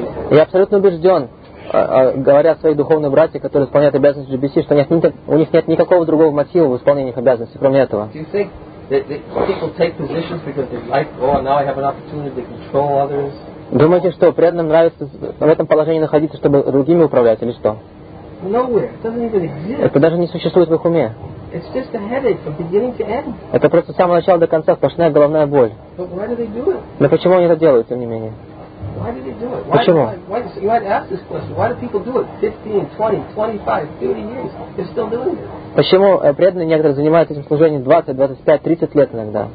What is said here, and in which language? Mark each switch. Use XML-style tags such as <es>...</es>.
<ru>Я абсолютно убежден, говоря о своих духовных братьях, которые исполняют обязанности GBC, что у них нет никакого другого мотива в исполнении их обязанностей, кроме этого. Думаете, что преданным нравится в этом положении находиться, чтобы другими управлять, или что? Это даже не существует в их уме.</ru> <en>It's just a headache from beginning to end.</en> <ru>Это просто с самого начала до конца сплошная головная боль.</ru> <en>But why do they do it?</en> <ru>Но почему они это делают, тем не менее?</ru> <en>Why do they do it?</en> <ru>Почему?</ru> <en>You might ask this question. Why do people do it? 15, 20, 25, 30 years. They're still doing it.</en> <ru>Почему преданные некоторые занимаются этим служением 20, 25, 30 лет иногда?</ru>